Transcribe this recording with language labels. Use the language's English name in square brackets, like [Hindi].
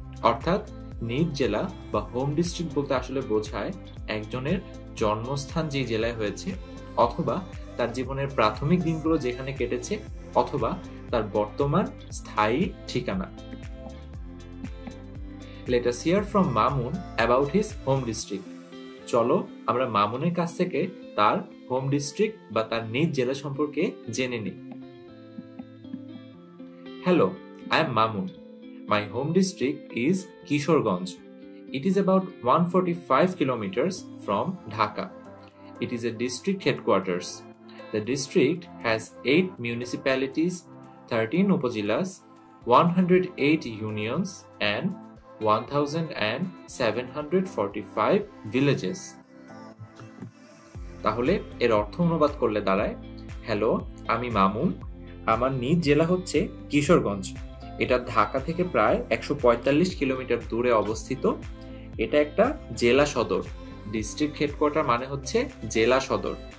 [Bangla] অর্থাৎ নিজ জেলা বা হোম ডিস্ট্রিক্ট বলতে আসলে বোঝায় একজনের জন্মস্থান যে জেলায় হয়েছে, অথবা তার জীবনের প্রাথমিক দিনগুলো যেখানে কেটেছে, অথবা তার বর্তমান স্থায়ী ঠিকানা। [English] Let us hear from Mamun about his home district. [Bangla] চলো আমরা মামুনের কাছ থেকে তার হোম ডিস্ট্রিক্ট বা তার নিজ জেলা সম্পর্কে জেনে নিই। [English] Hello, I am Mamun. My home district is Kishorganj. It is about 145 kilometers from Dhaka. It is a district headquarters. The district has 8 municipalities, 13 upazilas, 108 unions and 1745 villages. [Bangla] তাহলে এর অর্থ অনুবাদ করলে দাঁড়ায়, হ্যালো আমি মামুন, আমার নিজ জেলা হচ্ছে কিশোরগঞ্জ। এটা ঢাকা থেকে প্রায় 145 কিলোমিটার দূরে অবস্থিত। এটা একটা জেলা সদর, ডিস্ট্রিক্ট হেডকোয়ার্টার মানে হচ্ছে জেলা সদর।